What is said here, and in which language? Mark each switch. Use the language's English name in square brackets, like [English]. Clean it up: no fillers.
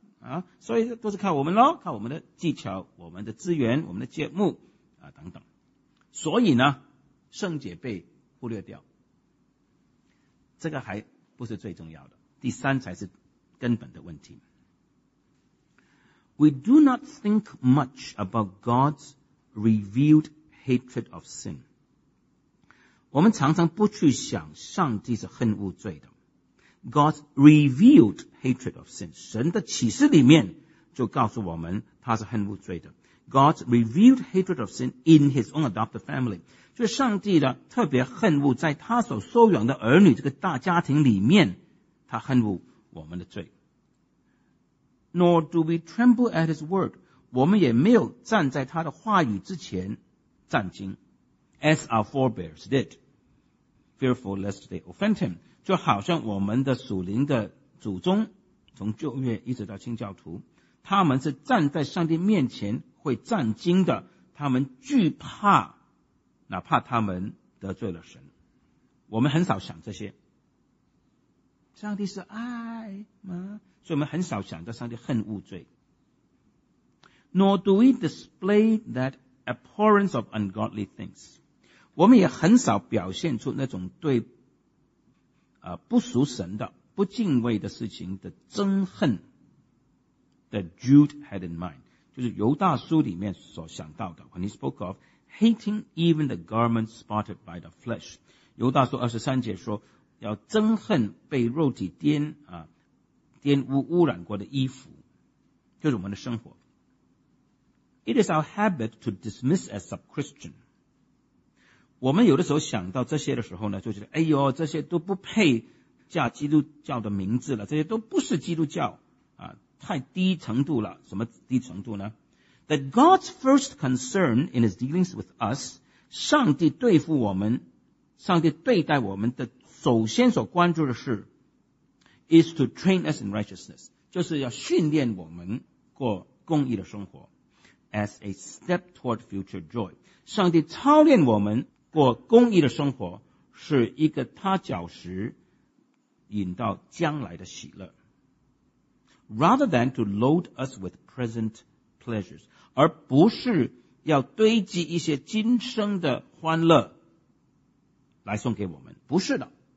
[Chinese] 啊，所以都是靠我们咯，靠我们的技巧，我们的资源，我们的节目啊等等。所以呢，圣洁被忽略掉，这个还不是最重要的，第三才是根本的问题。 [English] We do not think much about God's revealed hatred of sin. [Chinese] 我们常常不去想上帝是恨恶罪的。 [English] God's revealed hatred of sin. [Chinese] 神的启示里面就告诉我们他是恨恶罪的。 [English] God's revealed hatred of sin in his own adopted family. [Chinese] 就是上帝的特别恨恶在他所收养的儿女这个大家庭里面他恨恶我们的罪。 [English] Nor do we tremble at his word. [Chinese] 我们也没有站在他的话语之前战惊 [English] as our forebears did, fearful lest they offend him. [Chinese] 就好像我们的属灵的祖宗从旧约一直到清教徒他们是站在上帝面前会战惊的他们惧怕哪怕他们得罪了神。我们很少想这些。上帝是爱吗？所以我们很少想到上帝恨恶罪。 [English] Nor do we display that abhorrence of ungodly things. [Chinese] 我们也很少表现出那种对不属神的、不敬畏的事情的憎恨 [English] that Jude had in mind. [Chinese] 就是犹大书里面所想到的 [English] when he spoke of hating even the garments spotted by the flesh. [Chinese] 犹大书23节说要憎恨被肉体玷污污染过的衣服，就是我们的生活。 [English] It is our habit to dismiss as sub-Christian. [Chinese] 我们有的时候想到这些的时候呢，就觉得哎呦，这些都不配叫基督教的名字了，这些都不是基督教啊，太低程度了。什么低程度呢 ？ [English] That God's first concern in His dealings with us， [Chinese] 上帝对付我们，上帝对待我们的首先所关注的是。 [English] Is to train us in righteousness, [Chinese] 就是要训练我们过公义的生活 [English] as a step toward future joy. [Chinese] 上帝操练我们过公义的生活是一个他脚石引到将来的喜乐 [English] Rather than to load us with present pleasures, [Chinese] 而不是要堆积一些今生的欢乐来送给我们。不是的。